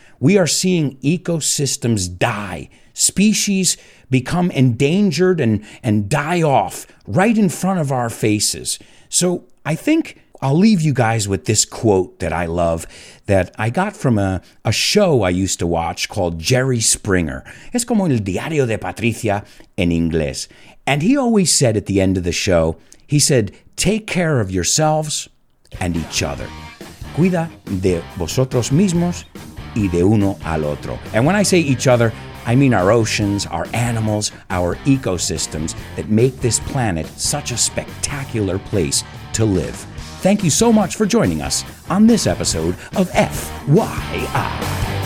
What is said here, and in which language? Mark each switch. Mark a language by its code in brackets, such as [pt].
[en] We are seeing ecosystems die, species become endangered and die off right in front of our faces. So I think I'll leave you guys with this quote that I love that I got from a show I used to watch called Jerry Springer. [es] Es como el diario de Patricia en inglés. [en] And he always said at the end of the show, he said, take care of yourselves and each other. [es] Cuida de vosotros mismos y de uno al otro. [en] And when I say each other, I mean our oceans, our animals, our ecosystems that make this planet such a spectacular place to live. Thank you so much for joining us on this episode of FYI.